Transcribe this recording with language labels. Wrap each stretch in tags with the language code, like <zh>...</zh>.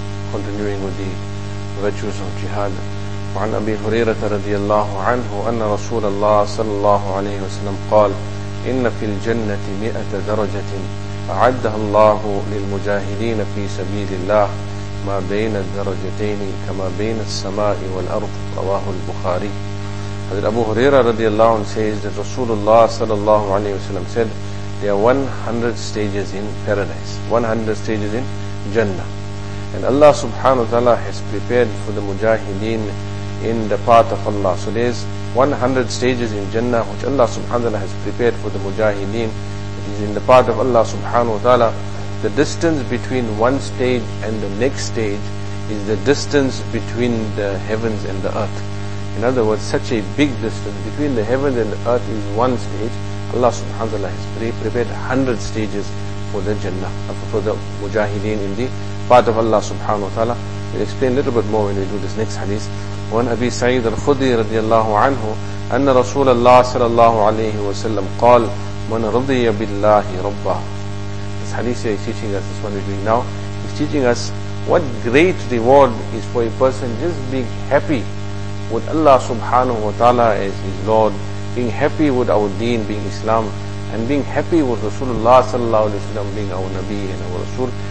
<en>Continuing with the virtues of jihad.</en> <ar>وعن أبي هريرة رضي الله عنه أن رسول الله صلى الله عليه وسلم قال إن في الجنة 100 درجة أعدها الله للمجاهدين في سبيل الله ما بين الدرجتين كما بين السماء والأرض رواه البخاري.</ar> <en>حضرت أبو هريرة رضي الله عنه says that رسول الله صلى الله عليه وسلم said there are 100 stages in paradise, 100 stages in Jannah. And Allah subhanahu wa ta'ala has prepared for the mujahideen in the path of Allah. So there's 100 stages in Jannah which Allah subhanahu wa ta'ala has prepared for the mujahideen. It is in the path of Allah subhanahu wa ta'ala. The distance between one stage and the next stage is the distance between the heavens and the earth. In other words, such a big distance between the heavens and the earth is one stage. Allah subhanahu wa ta'ala has prepared 100 stages for the Jannah, for the mujahideen in the path of Allah subhanahu wa ta'ala. We'll explain a little bit more when we do this next hadith.</en> <ar>وعن أبي سعيد الخدري رضي الله عنه أن رسول الله صلى الله عليه وسلم قال من رضي بالله ربا.</ar> <en>This hadith here is teaching us, this one we're doing now, is teaching us what great reward is for a person just being happy with Allah subhanahu wa ta'ala as his Lord, being happy with our deen, being Islam, and being happy with Rasulullah sallallahu alayhi wa sallam, being our Nabi and our Rasul.</en>